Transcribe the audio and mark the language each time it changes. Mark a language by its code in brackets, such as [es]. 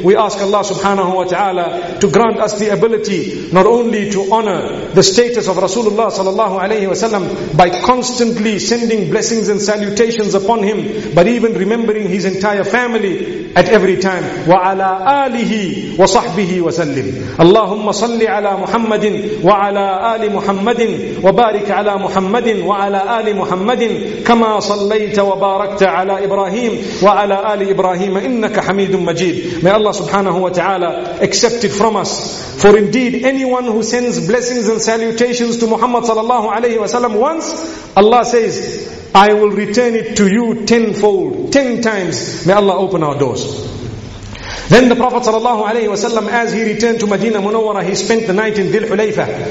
[en] We ask Allah subhanahu wa ta'ala to grant us the ability not only to honor the status of Rasulullah sallallahu alayhi wa sallam by constantly sending blessings and salutations upon him, but even remembering his entire family at every time. [ar] Wa ala alihi wa sahbihi wa sallim. Allahumma salli ala Muhammadin wa ala ali Muhammad وبارك على محمد وعلى آل محمد كما صليت وباركت على إبراهيم وعلى آل إبراهيم إنك حميد مجيد. [en] May Allah subhanahu wa ta'ala accept it from us. For indeed, anyone who sends blessings and salutations to Muhammad sallallahu alayhi wa sallam once, Allah says, I will return it to you tenfold, 10 times. May Allah open our doors. Then the Prophet sallallahu alayhi wa sallam, as he returned to Medina Munawwara, he spent the night in Dhil Hulayfa.